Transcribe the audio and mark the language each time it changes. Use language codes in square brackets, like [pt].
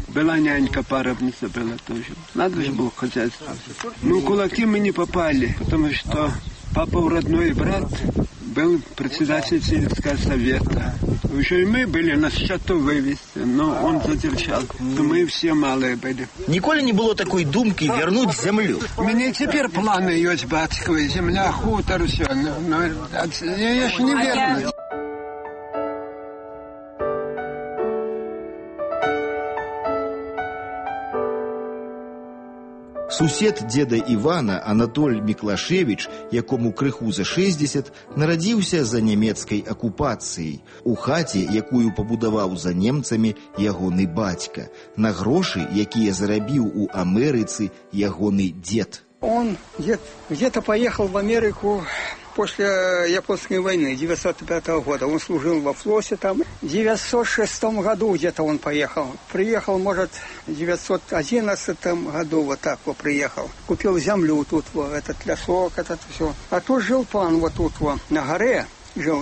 [ru] Была нянька парабніца, была тоже. Надо ж было хозяйство. Ну, кулакі мы не попалі, потому што папа ў родной брат... Был председатель сельского совета. Уже и мы были на счету вывезти, но он задержал. Мы все малые были. Николи не было такой думки вернуть землю. У меня теперь планы есть, батьковые. Земля, хутор, все. Но я еще не верну. [be] Сусед деда Івана Анатоль Міклашевіч, якому крыху за 60, нарадзіўся за нямецкай акупацыяй у хаце, якую пабудаваў за немцамі ягоны бацька, на грошы, якія зарабіў у Амерыцы ягоны дед. [ru] Он где-то поехал в Америку после японской войны 1905 года. Он служил во флоте там. В 1906 году где-то он поехал. Приехал, может, в 1911 году вот так вот приехал. Купил землю тут вот, этот лесок, этот все. А тут жил пан вот тут вот, на горе жил.